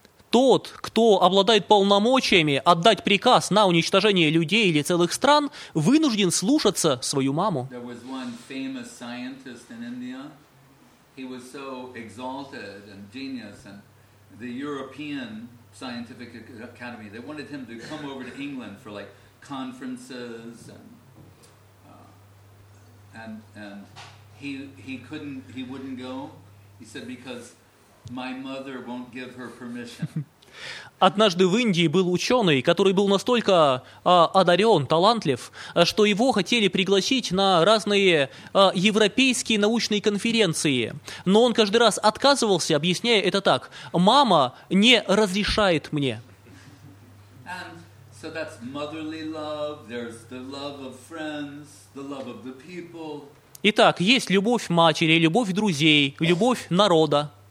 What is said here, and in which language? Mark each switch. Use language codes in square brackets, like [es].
[ru] Тот, кто обладает полномочиями отдать приказ на уничтожение людей или целых стран, вынужден слушаться свою маму. [en] There was one famous scientist in India. He was so exalted and genius, and the European Scientific Academy, they wanted him to come over to England for like conferences and he wouldn't go. He said, because my mother won't give her permission. [ru] Однажды в Индии был ученый, который был настолько одарен, талантлив, что его хотели пригласить на разные европейские научные конференции. Но он каждый раз отказывался, объясняя это так: «Мама не разрешает мне». [en] And so that's motherly love, there's the love of friends, the love of the people. [ru] Итак, есть любовь матери, любовь друзей, любовь народа.